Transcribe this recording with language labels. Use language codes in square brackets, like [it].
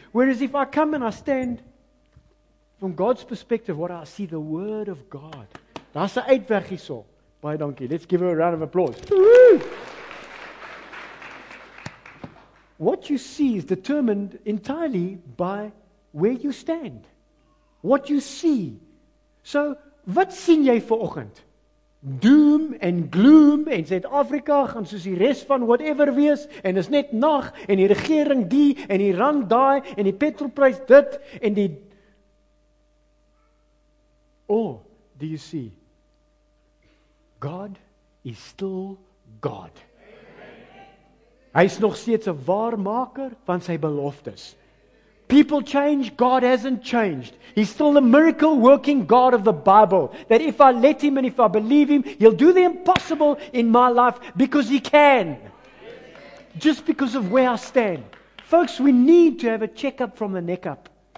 [en] Whereas if I come and I stand from God's perspective, what I see, the Word of God. That's the uitweg hierso. [af] Baie dankie. [en] Let's give her a round of applause. What you see is determined entirely by where you stand. What you see. [af] So, wat sien jy vanoggend? Doom en gloom en Suid-Afrika gaan soos die res van whatever wees en is net nag en die regering die en die rand daai en die petrolprys dit en die. [en] Or do you see, God is still God. Amen. [af] Hy is nog steeds 'n waarmaker van sy beloftes. [en] People change, God hasn't changed. He's still the miracle working God of the Bible. That if I let him and if I believe him, he'll do the impossible in my life because he can. Amen. Just because of where I stand. Folks, we need to have a checkup from the neck up.